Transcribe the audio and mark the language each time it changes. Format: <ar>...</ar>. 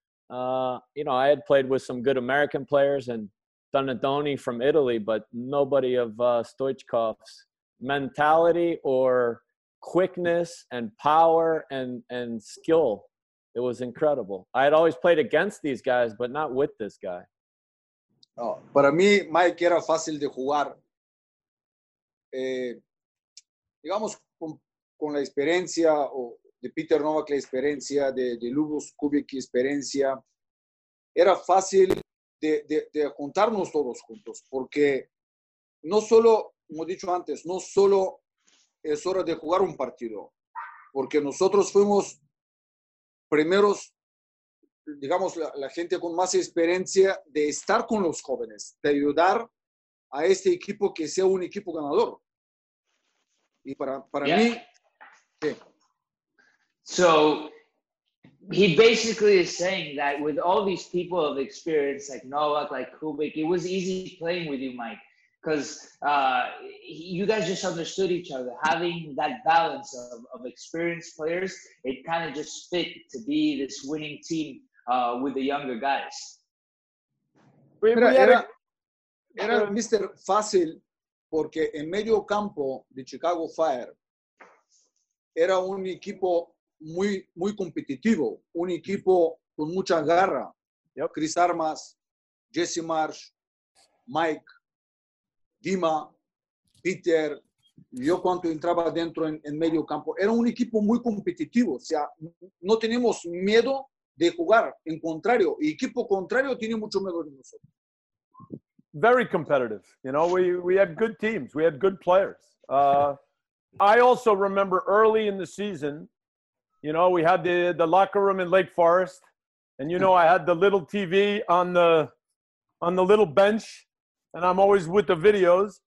<en>You know, I had played with some good American players and Donadoni from Italy, but nobody of Stoichkov's mentality or quickness and power and skill. It was incredible. I had always played against these guys, but not with this guy.</en> <es>Oh, para mí, Mike era fácil de jugar. Digamos, con la experiencia de Peter Novak, la experiencia de Lubos Kubik, experiencia, era fácil de juntarnos todos juntos, porque no solo, como he dicho antes, no solo es hora de jugar un partido, porque nosotros fuimos primeros, digamos, la gente con más experiencia de estar con los jóvenes, de ayudar a este equipo que sea un equipo ganador. Y para mí... Sí.</es> <en>So, he basically is saying that with all these people of experience, like Novak, like Kubik, it was easy playing with you, Mike, because you guys just understood each other. Having that balance of experienced players, it kind of just fit to be this winning team with the younger guys.</en> <es>Era Mr. Fácil, porque en medio campo de Chicago Fire era un equipo muy, muy competitivo, un equipo con mucha garra.</es> <en>Yep.</en> <es>Chris Armas, Jesse Marsh, Mike, Dima, Peter, yo cuando entraba dentro en medio campo, era un equipo muy competitivo, o sea, no teníamos miedo de jugar, en contrario, el equipo contrario tiene mucho miedo de nosotros.</es> <en>Very competitive, you know, we had good teams, we had good players. I also remember early in the season, you know, we had the locker room in Lake Forest, and you know, I had the little TV on the little bench, and I'm always with the videos.</en>